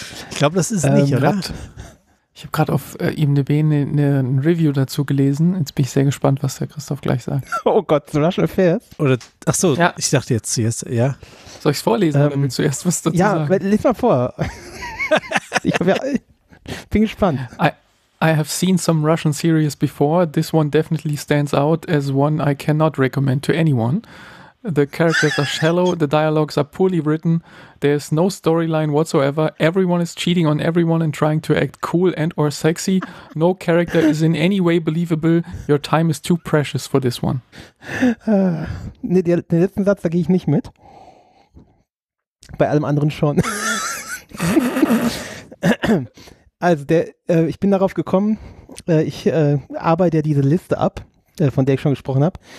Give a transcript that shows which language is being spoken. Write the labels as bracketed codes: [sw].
[de] Ich glaube, das ist nicht, oder? Ich habe gerade auf IMDb eine Review dazu gelesen. Jetzt bin ich sehr gespannt, was der Christoph gleich sagt. Oh Gott, so Russian Affairs. Oder, ach so, ja. Ich dachte jetzt zuerst, ja. Soll ich es vorlesen, oder willst du zuerst was dazu sagen? Ja, lies mal vor. Ich hab ja, bin gespannt. [en] I have seen some Russian series before. This one definitely stands out as one I cannot recommend to anyone. The characters are shallow, the dialogues are poorly written, there's no storyline whatsoever, everyone is cheating on everyone and trying to act cool and or sexy, no character is in any way believable, your time is too precious for this one. [de] Den letzten Satz, da gehe ich nicht mit. Bei allem anderen schon. Also, ich bin darauf gekommen, ich arbeite ja diese Liste ab, von der ich schon gesprochen habe.